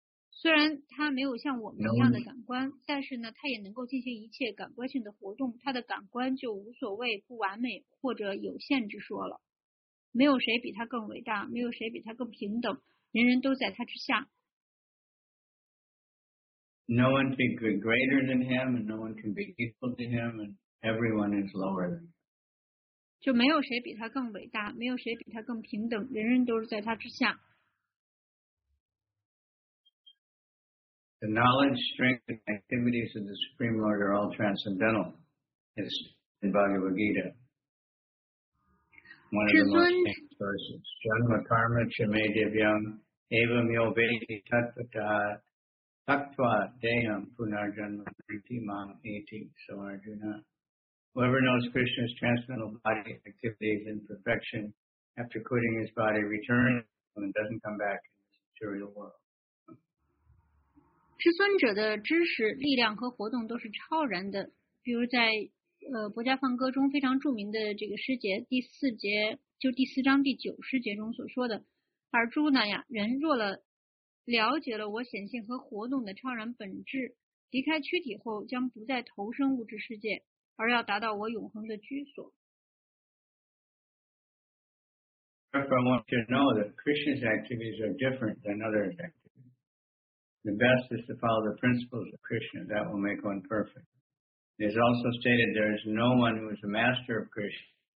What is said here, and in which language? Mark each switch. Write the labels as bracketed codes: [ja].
[zh] 虽然他没有像我们一样的感官，但是呢，他也能够进行一切感官性的活动，他的感官就无所谓不完美或者有限之说了。没有谁比他更伟大，没有谁比他更平等，人人都在他之下。 [en] No one can be greater than him, and no one can be equal to him, and everyone is lower than him. [zh] 就没有谁比他更伟大，没有谁比他更平等，人人都是在他之下。 [en] The knowledge, strength, and activities of the Supreme Lord are all transcendental, as in Bhagavad Gita. One of the most famous verses, [sa] Janma Karma Chame Divyam Evam Yo Vedi Tattvata. Taktva Deham Punarjanma Priti Mam Eti So Arjuna. [en] Whoever knows Krishna's transcendental body activities and perfection after quitting his body returns and doesn't come back in this material world. [zh] 至尊者的知识、力量和活动都是超然的。比如在《博迦梵歌》中非常著名的这个诗节第四节，就第四章第九诗节中所说的，而诸那呀，人若了了解了我显现和活动的超然本质，离开躯体后将不再投身物质世界，而要达到我永恒的居所。 [en] Therefore, I want you to know that Krishna's activities are different than other activities. The best is to follow the principles of Krishna. That will make one perfect. It is also stated there is no one who is a master of Krishna.